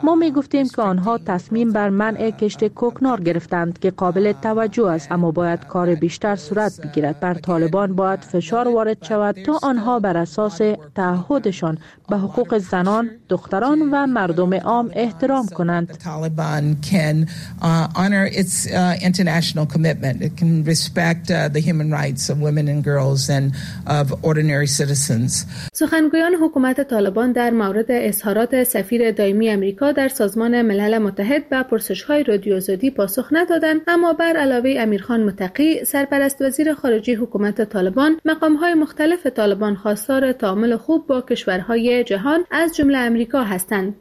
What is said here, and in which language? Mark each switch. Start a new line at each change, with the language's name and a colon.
Persian: ما می گفتیم که آنها تصمیم بر منع کشت کوکنار گرفتند که قابل توجه است، اما باید کار بیشتر صورت بگیرد. بر طالبان باید فشار وارد شود تا آنها بر اساس تعهدشان به حقوق زنان، دختران و مردم عام احترام کنند.
English: طالبان can honor its international commitment. It can respect the human rights of women and girls and of ordinary citizens.
Persian: سخنگویان حکومت طالبان در مورد اظهارات سفیر دائمی آمریکا در سازمان ملل متحد به پرسش‌های رادیو آزادی پاسخ ندادند، اما بر علاوه امیرخان متقی، سرپرست وزیر خارجه حکومت طالبان، مقام‌های مختلف طالبان خواستار تعامل خوب با کشورهای جهان از جمله آمریکا هستند.